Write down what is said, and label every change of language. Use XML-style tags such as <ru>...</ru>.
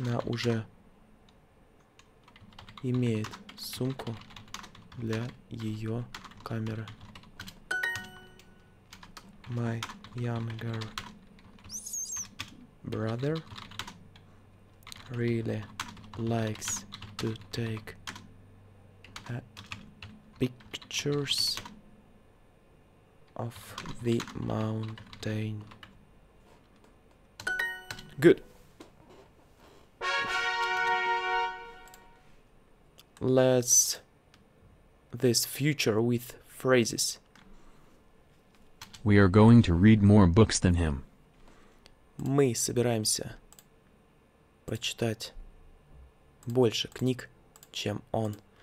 <ru>Она уже имеет сумку для ее камеры.</ru> <en>My younger brother really likes to take pictures of the mountain. Good. Let's this future with phrases. We are going to read more books than him.</en> <ru>Мы собираемся прочитать больше книг, чем он.</ru>